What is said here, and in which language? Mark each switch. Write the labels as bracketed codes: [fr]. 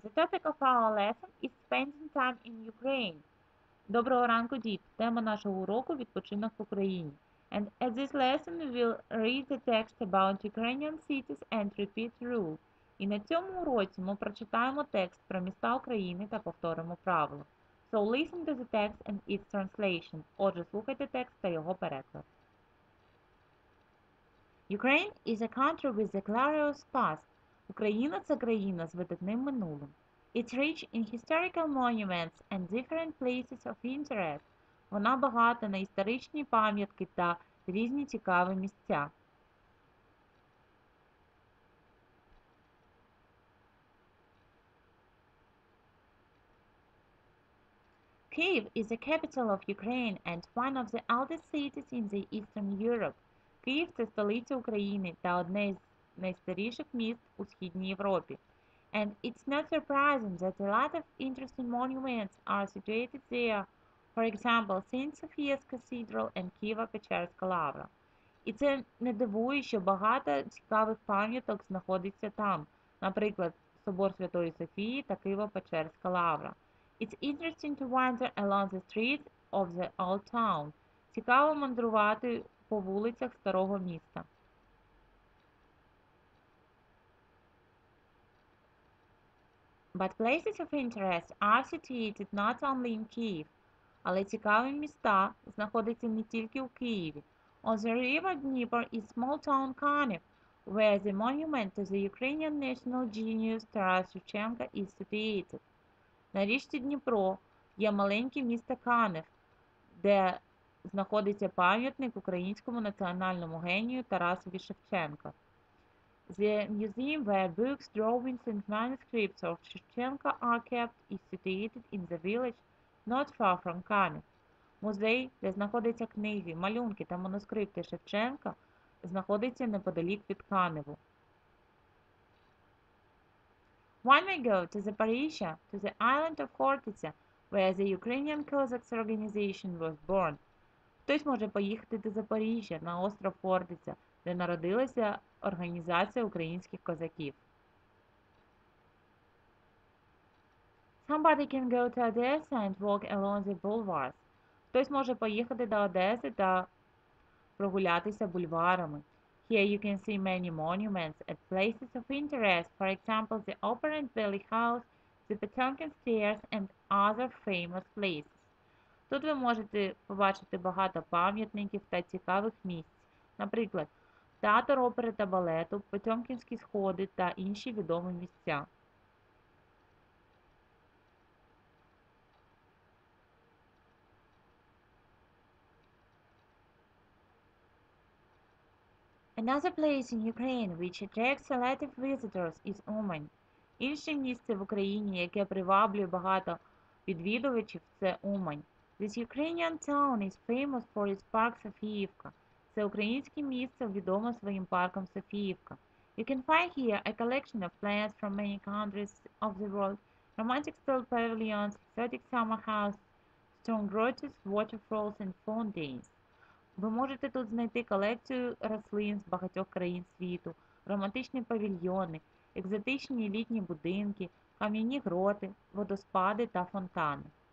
[en] The topic of our lesson is spending time in Ukraine. [uk] Доброго ранку, діти. Тема нашого уроку – відпочинок в Україні. [en] And at this lesson, we will read the text about Ukrainian cities and repeat rule. [uk] І на цьому уроці ми прочитаємо текст про міста України та повторимо правило. [en] So listen to the text and its translation. [uk] Отже, слухайте текст та його переклад. [en] Ukraine is a country with a glorious past. [uk] Україна – це країна з видатним минулим. [en] It's rich in historical monuments and different places of interest. [uk] Вона багата на історичні пам'ятки та різні цікаві місця. [en] Kyiv is the capital of Ukraine and one of the oldest cities in the Eastern Europe. [uk] Київ – це столиця України та одне з найстаріших міст у Східній Європі. [en] And it's not surprising that a lot of interesting monuments are situated there. For example, St. Sophia's Cathedral and Києво-Печерська лавра. [uk] І це не дивує, що багато цікавих пам'яток знаходиться там. Наприклад, Собор Святої Софії та Києво-Печерська лавра. [en] It's interesting to wander along the streets of the old town. [uk] Цікаво мандрувати по вулицях старого міста. [en] But places of interest are situated not only in Kyiv. [uk] Але цікаві міста знаходяться не тільки у Києві. [en] On the river Dnieper is small town Kharkiv, where the monument to the Ukrainian national genius Taras Shevchenko is situated. [uk] На річці Дніпро є маленьке місто Kharkiv, де знаходиться пам'ятник українському національному генію Тарасові Шевченка. [en] The museum where books, drawings and manuscripts of Shevchenko are kept is situated in the village not far from Kharkiv. [uk] Музей, де знаходяться книги, малюнки та манускрипти Шевченка, знаходиться неподалік від Kharkiv. [en] One may go to Zaporizhia, to the island of Хортиця, where the Ukrainian Cossacks organization was born. [uk] Хтось може поїхати до Запоріжжя, на остров Хортиця, де народилася організація українських козаків. [en] Somebody can go to Odessa and walk along the boulevards. [uk] Хтось може поїхати до Одеси та прогулятися бульварами. [en] Here you can see many monuments at places of interest, for example, the Opera and Ballet House, the Potemkin Stairs and other famous places. [uk] Тут ви можете побачити багато пам'ятників та цікавих місць. Наприклад, Театр опери та балету, Потьомкінські сходи та інші відомі місця. [en] Another place in Ukraine, which attracts a lot of visitors, is Умань. [uk] Інше місце в Україні, яке приваблює багато відвідувачів, це Умань. [en] This Ukrainian town is famous for its park Софіївка. [uk] Це українське місце відоме своїм парком Софіївка. [en] You can find here a collection of plants from many countries of the world, romantic style pavilions, exotic summer houses, stone grottoes, waterfalls and fountains. [uk] Ви можете тут знайти колекцію рослин з багатьох країн світу, романтичні павільйони, екзотичні літні будинки, кам'яні гроти, водоспади та фонтани.